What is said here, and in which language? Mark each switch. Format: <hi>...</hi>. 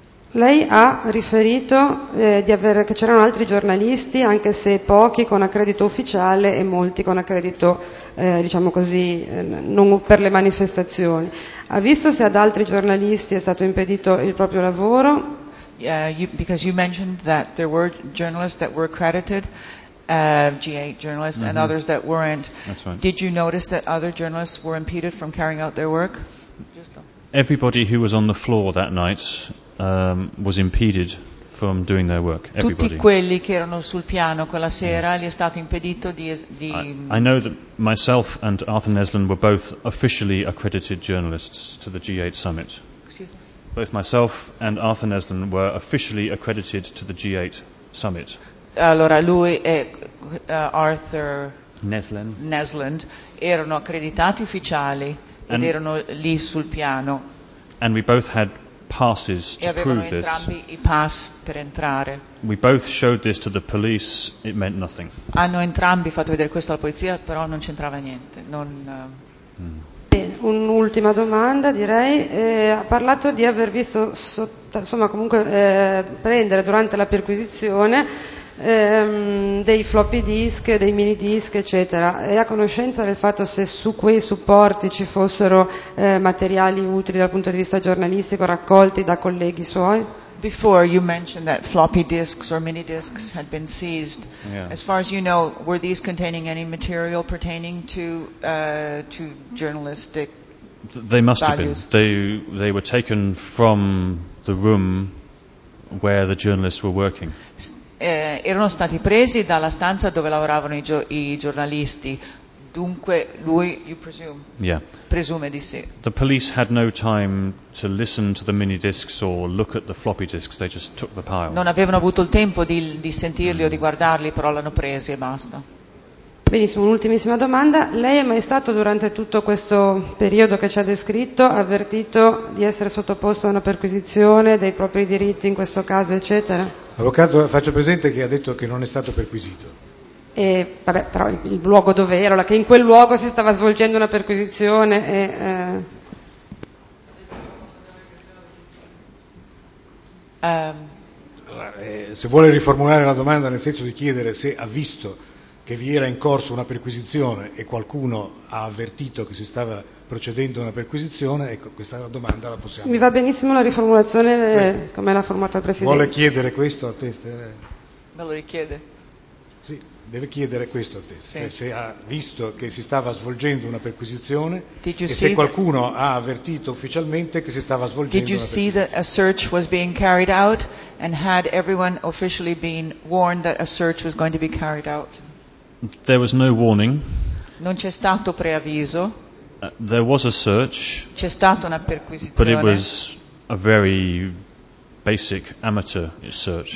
<it>Lei ha riferito che c'erano altri giornalisti, anche se pochi con accredito ufficiale e molti con accredito, diciamo così, non per le manifestazioni. Ha visto se ad altri giornalisti è stato impedito il proprio lavoro?</it> <en>Because you mentioned that there were journalists that were accredited. G8 journalists, mm-hmm. and others that weren't. That's right. Did you notice that other journalists were impeded from carrying out their work? Everybody who was on the floor that night was impeded from doing their work. Everybody.</en> <it>Tutti quelli che erano sul piano quella sera gli è stato impedito di.</it> <en>I know that myself and Arthur Neslin were both officially accredited journalists to the G8 summit. Excuse me. Both myself and Arthur Neslin were officially accredited to the G8 summit.</en> <it>Allora lui e Arthur Neslin erano accreditati ufficiali ed erano lì sul piano.</it> <en>And we both had passes to prove this.</en> <it>E avevano entrambi i pass per entrare.</it> <en>We both showed this to the police. It meant nothing.</en> <it>Hanno entrambi fatto vedere questo alla polizia, però non c'entrava niente. Un'ultima domanda, direi. Ha parlato di aver visto, prendere durante la perquisizione dei floppy disk, dei mini disk, eccetera. E ha conoscenza del fatto se su quei supporti ci fossero materiali utili dal punto di vista giornalistico raccolti da colleghi suoi?</it> <en>Before you mentioned that floppy disks or mini disks had been seized. Yeah. As far as you know, were these containing any material pertaining to journalistic They must values? Have been. They were taken from the room where the journalists were working.</en> <it>Erano stati presi dalla stanza dove lavoravano i giornalisti, dunque lui,</it> <en>you presume, yeah.</en> <it>presume di sì.</it> <en>The police had no time to listen to the mini discs or look at the floppy discs, they just took the pile.</en> <it>Non avevano avuto il tempo di sentirli o di guardarli, però l'hanno presi e basta. Benissimo, un'ultimissima domanda. Lei è mai stato durante tutto questo periodo che ci ha descritto avvertito di essere sottoposto a una perquisizione dei propri diritti in questo caso, eccetera? Avvocato, faccio presente che ha detto che non è stato perquisito. E vabbè, però il luogo dove era, che in quel luogo si stava svolgendo una perquisizione e Se vuole riformulare la domanda nel senso di chiedere se ha visto che vi era in corso una perquisizione e qualcuno ha avvertito che si stava procedendo a una perquisizione, ecco, questa domanda la possiamo... Mi va benissimo la riformulazione come l'ha formata il Presidente. Vuole chiedere questo a te? Me lo richiede. Sì, deve chiedere questo a te. Sì. Se ha visto che si stava svolgendo una perquisizione e se qualcuno ha avvertito ufficialmente che si stava svolgendo una perquisizione.</it> <en>Did you see that a search was being carried out? And had everyone officially been warned that a search was going to be carried out? There was no warning.</en> <it>Non c'è stato preavviso.</it> <en>There was a search.</en> <it>C'è stata una perquisizione.</it> <en>But it was a very basic amateur search.</en>